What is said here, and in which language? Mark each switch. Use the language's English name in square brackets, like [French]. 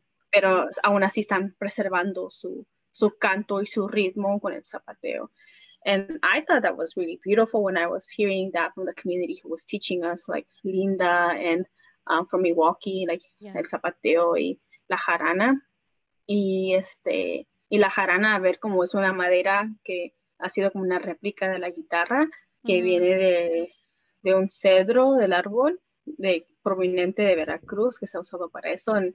[Spanish] Pero aún así están preservando su canto y su ritmo con el zapateo. [English] And I thought that was really beautiful when I was hearing that from the community who was teaching us, like Linda and from Milwaukee, like yeah. [Spanish] el zapateo y la jarana. Y la jarana, a ver cómo es una madera que ha sido como una réplica de la guitarra, que mm-hmm. viene de un cedro del árbol proveniente de Veracruz, que se ha usado para eso.